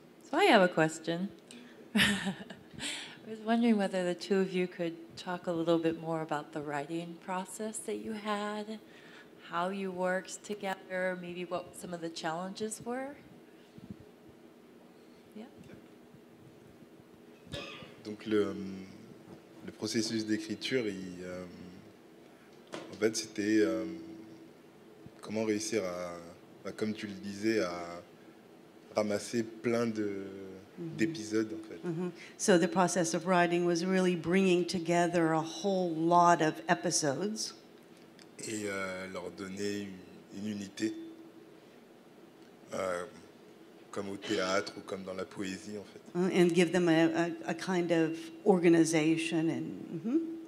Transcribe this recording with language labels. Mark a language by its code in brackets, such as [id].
[en] So I have a question. I was wondering whether the two of you could talk a little bit more about the writing process that you had, how you worked together, maybe what some of the challenges were. [fr] Donc le processus d'écriture, en fait, c'était comment réussir à, comme tu le disais, à ramasser plein de d'épisodes, en fait. [en] So the process of writing was really bringing together a whole lot of episodes. [fr] Et leur donner une unité, comme au théâtre ou comme dans la poésie, en fait. [en] And give them a kind of organization and.